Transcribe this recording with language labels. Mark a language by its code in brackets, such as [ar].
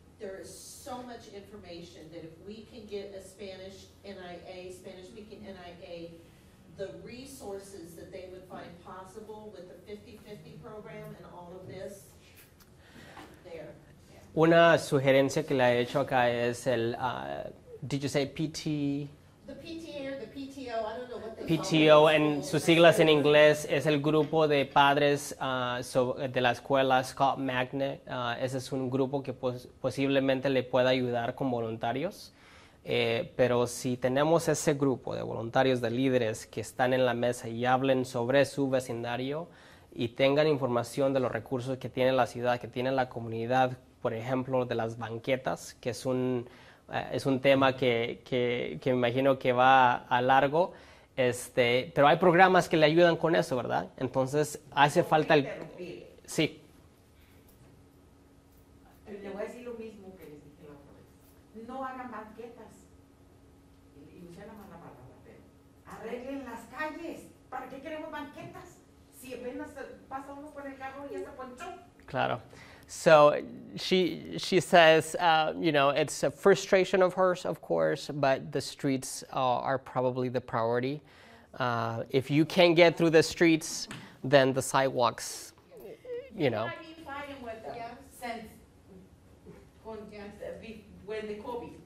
[en] There is so much information that if we can get a Spanish NIA, Spanish-speaking NIA, the resources that they would find possible with the 50-50 program and all of this, there. [es] Una sugerencia que le he hecho acá es el, [en] did you say PT? The PTA or the PTO, I don't know what they call it. [es] PTO, en sus siglas en inglés, es el grupo de padres de la escuela Scott Magnet. Ese es un grupo que posiblemente le pueda ayudar con voluntarios. Pero si tenemos ese grupo de voluntarios, de líderes que están en la mesa y hablen sobre su vecindario y tengan información de los recursos que tiene la ciudad, que tiene la comunidad, por ejemplo, de las banquetas, que es un tema que me imagino que va a largo. Pero hay programas que le ayudan con eso, ¿verdad? Entonces, hace falta el... Sí. Le voy a decir lo mismo que les dije la otra vez. No hagan banquetas. Y usé la mala palabra, pero arreglen las calles. ¿Para qué queremos banquetas? Si apenas pasa uno por el carro y ya se ponchó. Claro. [en] So she says, you know, it's a frustration of hers, of course, but the streets are probably the priority. If you can't get through the streets, then the sidewalks, you know. I've been fighting with them since when the COVID.